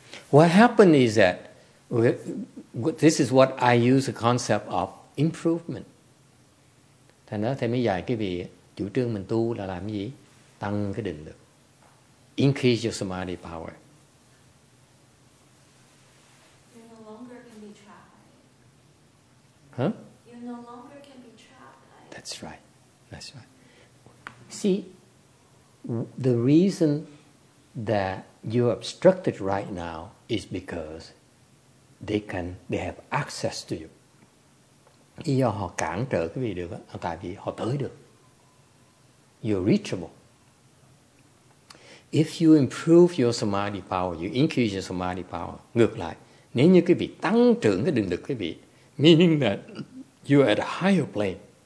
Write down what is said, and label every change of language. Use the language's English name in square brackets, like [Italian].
[English] What happened is that this is what I use the concept of improvement. [Vietnamese] Thầy nói thầy mới dạy cái vị chủ trương mình tu là làm gì? Tăng cái định lực. [English] Increase your samadhi power. You no longer can be trapped. Huh? You no longer can be trapped. That's right. That's right. See, the reason that you're obstructed right now is because they have access to you. [Vietnamese] Ý do họ cản trở cái gì được á, tại vì họ tới được. [English] You're reachable. If you improve your samadhi power, you increase your samadhi power. [Vietnamese] Ngược lại, nếu như cái vị tăng trưởng cái định lực cái vị, [English] meaning that you are at a higher plane.